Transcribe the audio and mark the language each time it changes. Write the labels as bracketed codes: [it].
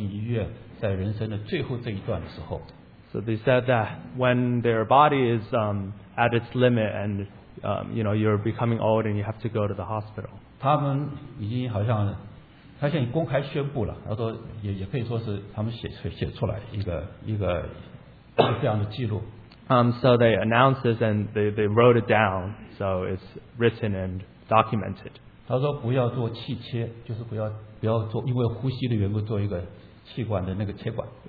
[zh] 他们说等我身体这个不行的时候，譬如说我现在已经到了要进医院，在人生的最后这一段的时候。 [en] So they said that when their body is at its limit and you know, you're becoming old and you have to go to the hospital. [zh] 他们已经好像，他现在公开宣布了，他说也可以说是他们写出来一个这样的记录。 [en] So they announced this and they wrote it down, so it's written and documented. [zh] 他说不要做气切，就是不要做因为呼吸的缘故做一个气管的那个切管。